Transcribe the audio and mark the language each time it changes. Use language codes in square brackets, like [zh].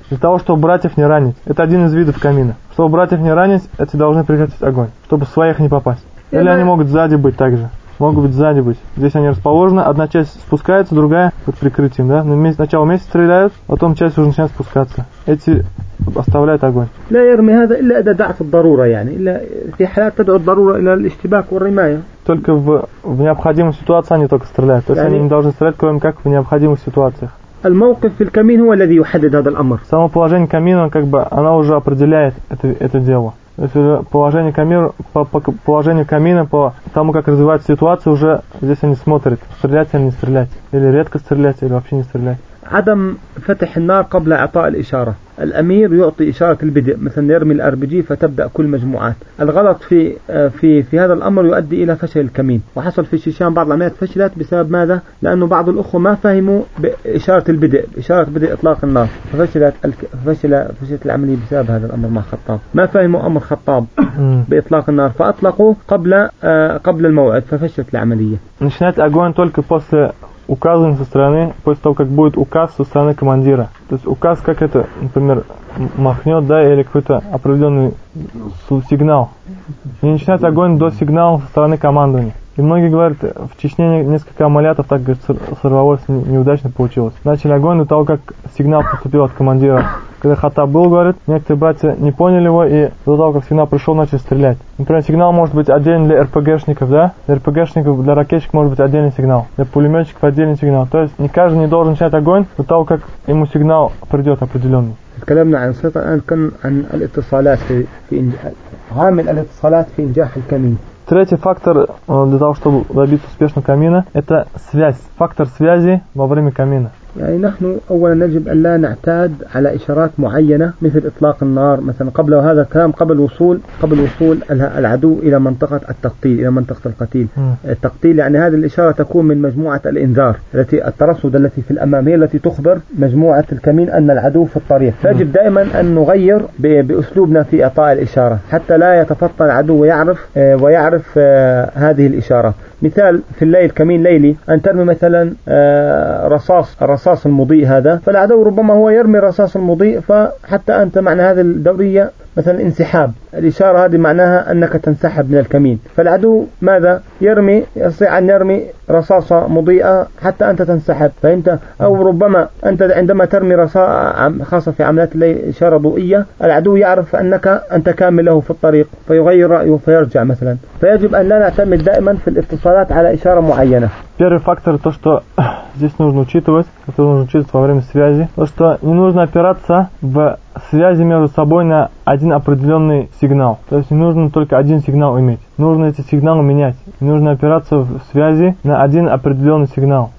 [ru] Для того, чтобы братьев не ранить. Это один из видов камина. Чтобы братьев не ранить, эти должны прекратить огонь, чтобы своих не попасть. Или они могут сзади быть так же. Могут быть сзади быть. Здесь они расположены, одна часть спускается, другая под прикрытием, да? Сначала вместе стреляют, потом часть уже начинает спускаться. Эти оставляют огонь. [ar] لا يرمي هذا إلا إذا دعت الضرورة يعني إلا في حالات تدعو الضرورة إلى الاشتباك والرماية. [ru] Только в необходимой ситуации они только стреляют. То есть они не должны стрелять, кроме как в необходимых ситуациях. [ar] الموقف في الكمين هو الذي يحدد هذا الأمر. [ru] Само положение камина, как бы, оно уже определяет это дело. То есть положение камина, по положению камина, по тому, как развивается ситуация, уже здесь они смотрят, стрелять или не стрелять, или редко стрелять, или вообще не стрелять. [ar] عدم فتح النار قبل إعطاء الإشارة. الأمير يعطي إشارة البدء مثلا يرمي الأربجي فتبدأ كل مجموعات الغلط في هذا الأمر يؤدي إلى فشل الكمين وحصل في الشيشان بعض العمليات فشلت بسبب ماذا لأنه بعض الأخوة ما فهموا بإشارة البدء إشارة بدء إطلاق النار فشلت العملية بسبب هذا الأمر مع خطاب ما فهموا أمر خطاب بإطلاق النار فأطلقوا قبل الموعد ففشلت العملية نشنات أقوان تلك после [ru] указывание со стороны, после того, как будет указ со стороны командира. То есть указ, как это, например, махнет, да, или какой-то определенный сигнал. Не начинает огонь до сигнала со стороны командования. И многие говорят, в Чечне несколько амулятов так, говорит, сорвалось, неудачно получилось. Начали огонь до того, как сигнал поступил от командира. Когда хаттаб был, говорит, некоторые братья не поняли его и до того, как сигнал пришел, начали стрелять. Например, сигнал может быть отдельный для РПГшников, да? Для РПГшников, для ракетчиков может быть отдельный сигнал. Для пулеметчиков отдельный сигнал. То есть не каждый не должен начать огонь до того, как ему сигнал придет определенный. [ar] تكلمنا عن سيطة الآن كان عن الاتصالات في عامل الاتصالات في إنجاح الكمين. [ru] Третий фактор для того, чтобы добиться успешного камина, это связь. Фактор связи во время камина. [ar] يعني نحن أولا يجب أن لا نعتاد على إشارات معينة مثل إطلاق النار مثلا قبل هذا الكلام قبل وصول العدو إلى منطقة التقتيل إلى منطقة القتيل التقتيل يعني هذه الإشارة تكون من مجموعة الإنذار التي الترصد التي في الأمام هي التي تخبر مجموعة الكمين أن العدو في الطريق فيجب دائما أن نغير بأسلوبنا في إعطاء الإشارة حتى لا يتفطن العدو ويعرف هذه الإشارة مثال في الليل كمين ليلي أن ترمي مثلا رصاص المضيء هذا فالعدو ربما هو يرمي رصاص المضيء فحتى أنت معنى هذه الدورية مثلا انسحاب الإشارة هذه معناها أنك تنسحب من الكمين فالعدو ماذا يرمي يستطيع أن يرمي رصاصة مضيئة حتى أنت تنسحب فأنت أو ربما أنت عندما ترمي رصاصة خاصة في عمليات الإشارة ضوئية العدو يعرف أنك أنت كامل له في الطريق فيغير رأيه فيرجع مثلا فيجب أن لا نعتمد دائما في الاتصالات على إشارة معينة. [ru] Первый фактор, то, что здесь нужно учитывать, это нужно учитывать во время связи, то, что не нужно опираться в связи между собой на один определенный сигнал. То есть не нужно только один сигнал иметь. Нужно эти сигналы менять. Не нужно опираться в связи на один определенный сигнал.